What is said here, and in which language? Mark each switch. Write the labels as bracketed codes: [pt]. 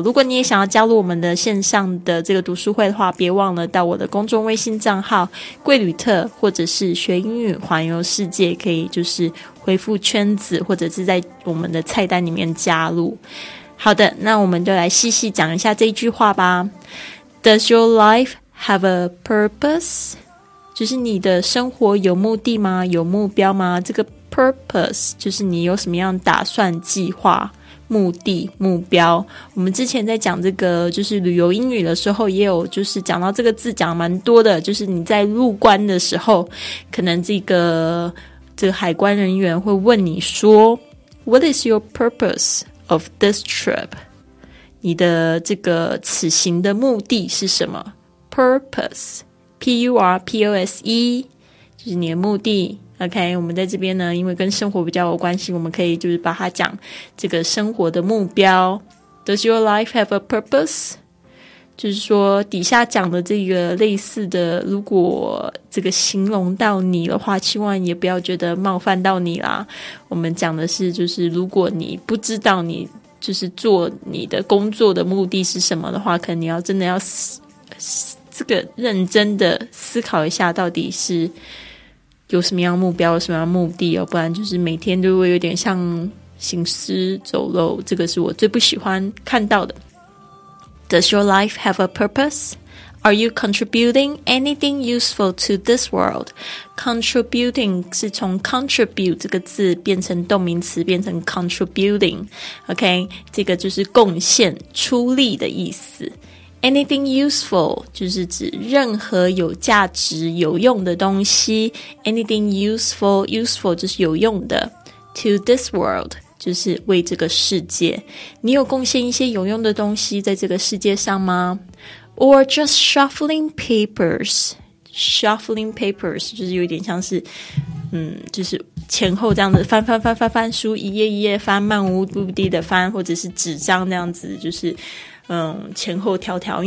[zh] 如果你也想要加入我们的线上的这个读书会的话，别忘了到我的公众微信账号桂旅特或者是学英语环游世界，可以就是回复圈子或者是在我们的菜单里面加入。好的，那我们就来细细讲一下这一句话吧。 [en] Does your life have a purpose? [zh] 就是你的生活有目的吗？有目标吗？这个 purpose 就是你有什么样打算计划目的目标。我们之前在讲这个就是旅游英语的时候也有就是讲到这个字讲蛮多的，就是你在入关的时候可能这个海关人员会问你说 [en] What is your purpose of this trip? [zh] 你的这个此行的目的是什么？ Purpose P-U-R-P-O-S-E 就是你的目的。 OK， 我们在这边呢因为跟生活比较有关系，我们可以就是把它讲这个生活的目标。 [en] Does your life have a purpose? [zh] 就是说底下讲的这个类似的，如果这个形容到你的话，千万也不要觉得冒犯到你啦。我们讲的是就是如果你不知道你就是做你的工作的目的是什么的话，可能你要真的要这个认真的思考一下到底是有什么样目标，有什么样目的哦，不然就是每天都会有点像行尸走肉，这个是我最不喜欢看到的。 [en] Does your life have a purpose? Are you contributing anything useful to this world? [zh] Contributing 是从 contribute 这个字变成动名词，变成 contributing。 OK， 这个就是贡献出力的意思。 [en] Anything useful [zh] 就是指任何有价值有用的东西。 [en] Anything useful， [zh] useful 就是有用的。 [en] To this world [zh] 就是为这个世界。你有贡献一些有用的东西在这个世界上吗？ [en] Or just shuffling papers。 Shuffling papers [zh] 就是有点像是就是前后这样子翻翻翻翻翻书，一页一页翻，漫无目的的翻，或者是纸张那样子，就是前后迢迢。